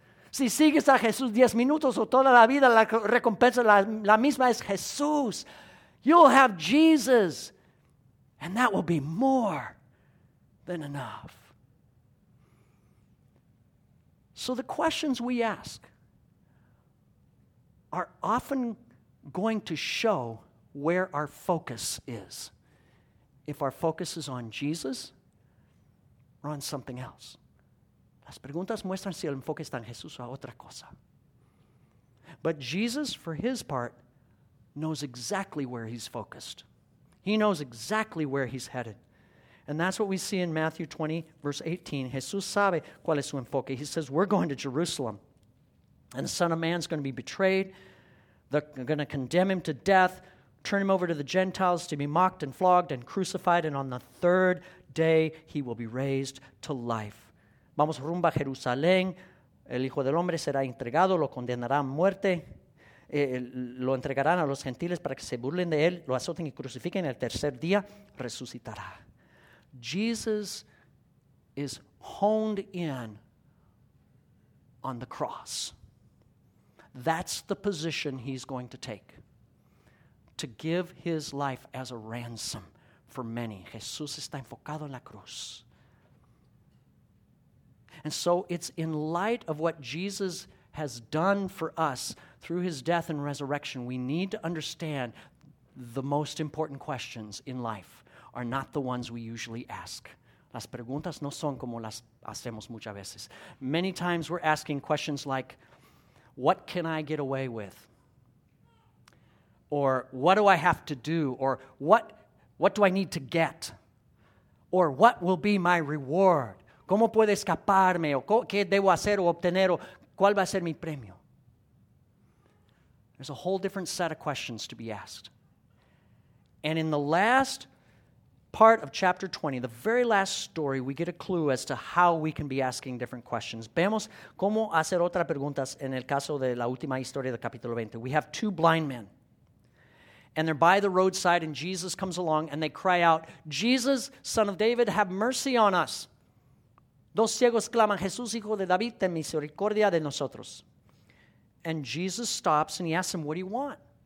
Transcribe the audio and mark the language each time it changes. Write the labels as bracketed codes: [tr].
[es] Si sigues a Jesús 10 minutos o toda la vida, la recompensa la misma es Jesús. [en] You'll have Jesus. And that will be more than enough. So the questions we ask are often going to show where our focus is. if our focus is on Jesus or on something else. [es] Las preguntas muestran si el enfoque está en Jesús o a otra cosa. [en] But Jesus, for his part, knows exactly where he's focused. He knows exactly where he's headed. And that's what we see in Matthew 20, verse 18. [es] Jesús sabe cuál es su enfoque. [en] He says, we're going to Jerusalem. And the Son of Man's going to be betrayed. They're going to condemn him to death, turn him over to the Gentiles to be mocked and flogged and crucified. And on the third day, he will be raised to life. [es] Vamos rumbo a Jerusalén. El Hijo del Hombre será entregado, lo condenarán a muerte. Lo entregarán a los gentiles para que se burlen de él, lo azoten y crucifiquen. El tercer día resucitará. [en] Jesus is honed in on the cross. That's the position he's going to take, to give his life as a ransom for many. [es] Jesús está enfocado en la cruz. [en] And so it's in light of what Jesus has done for us through his death and resurrection, we need to understand the most important questions in life are not the ones we usually ask. [es] Las preguntas no son como las hacemos muchas veces. [en] Many times we're asking questions like, what can I get away with? Or what do I have to do? Or what do I need to get? Or what will be my reward? [es] ¿Cómo puedo escaparme? ¿O qué debo hacer o obtener? ¿O cuál va a ser mi premio? [en] There's a whole different set of questions to be asked. And in the last part of chapter 20, the very last story, we get a clue as to how we can be asking different questions. [es] Vemos cómo hacer otras preguntas en el caso de la última historia del capítulo 20. [en] We have two blind men, and they're by the roadside, and Jesus comes along, and they cry out, Jesus, Son of David, have mercy on us. [es] Dos ciegos claman, Jesús, Hijo de David, ten misericordia de nosotros. [en] And Jesus stops, and he asks them, what do you want?